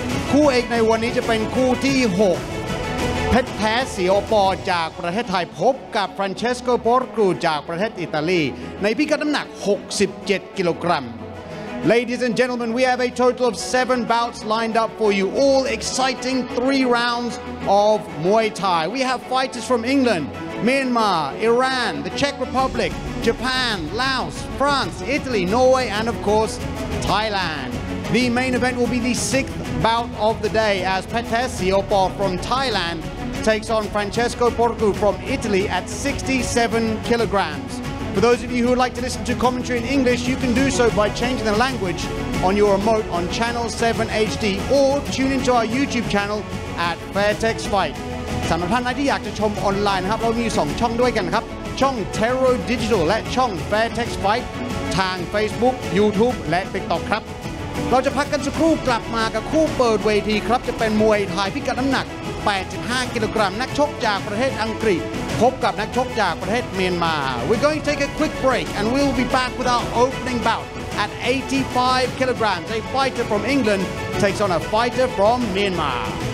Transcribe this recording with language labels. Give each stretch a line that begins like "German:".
Thai: คู่เอกในวันนี้จะเป็นคู่ที่6เพชรแท้สีโอปอจากประเทศไทยพบกับฟรานเชสโกโปสกรูจากประเทศอิตาลีในพิกัดน้ำหนัก67กิโลกรัม
English: Ladies and gentlemen we have a total of 7 bouts lined up for you all exciting 3 rounds of Muay Thai we have fighters from EnglandMyanmar, Iran, the Czech Republic, Japan, Laos, France, Italy, Norway, and of course, Thailand. The main event will be the sixth bout of the day as Petes Siopor from Thailand takes on Francesco Porcu from Italy at 67 kilograms. For those of you who would like to listen to commentary in English, you can do so by changing the language on your remote on Channel 7 HD or tune into our YouTube channel at Fairtex Fight.
Thai: สำหรับท่านที่อยากจะชมออนไลน์นะครับเรามี2ช่องด้วยกันครับช่อง Terro Digital และช่อง Fairtex Fight ทาง Facebook, YouTube และ TikTok ครับเราจะพักกันสักครู่กลับมากับคู่เปิดเวทีครับจะเป็นมวยไทยพิกัดน้ำหนัก85กิโลกรัมนักชกจากประเทศอังกฤษพบกับนักชกจากประเทศเมียนมา
English: We're going to take a quick break and we'll be back with our opening bout at 85 kilograms a fighter from England takes on a fighter from Myanmar